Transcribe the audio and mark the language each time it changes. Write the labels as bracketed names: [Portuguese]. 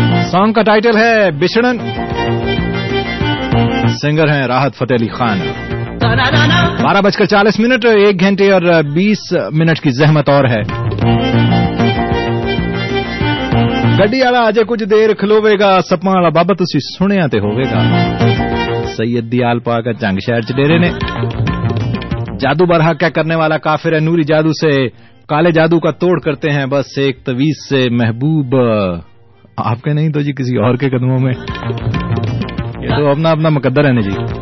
[Urdu] Song کا title ہے بچھڑن, singer ہیں راحت فتح علی خان. 12:40, ایک گھنٹے اور 20 منٹ کی زحمت اور ہے. [Punjabi] گڈی والا اجے کچھ دیر کھلوے گا, سپاں والا بابا تسی سنیا تے ہووے گا. سید دیال پاک جنگ شہر چ ڈیرے نے. [Urdu] جادو برہا کیا کرنے والا کافر ہے, نوری جادو سے کالے جادو کا توڑ کرتے ہیں. بس ایک تویز سے محبوب آپ کے نہیں تو جی کسی اور کے قدموں میں, یہ تو اپنا اپنا مقدر ہے نا جی.